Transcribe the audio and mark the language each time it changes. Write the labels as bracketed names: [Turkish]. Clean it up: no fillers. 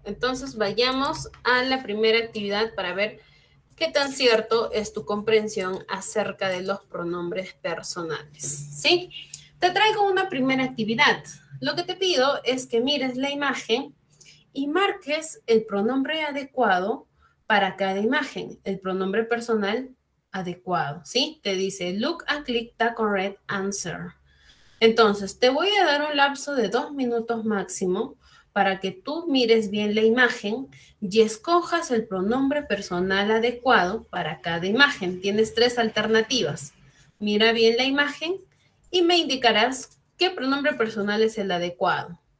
[Spanish] Entonces, vayamos a la primera actividad para ver qué tan cierto es tu comprensión acerca de los pronombres personales, ¿sí? Te traigo una primera actividad. Lo que te pido es que mires la imagen y marques el pronombre adecuado para cada imagen, el pronombre personal adecuado, ¿sí? Te dice, [English] look and click the correct answer. [Spanish] Entonces, te voy a dar un lapso de 2 minutos máximo para que tú mires bien la imagen y escojas el pronombre personal adecuado para cada imagen. Tienes tres alternativas. Mira bien la imagen y me indicarás ¿qué pronombre personal es el adecuado?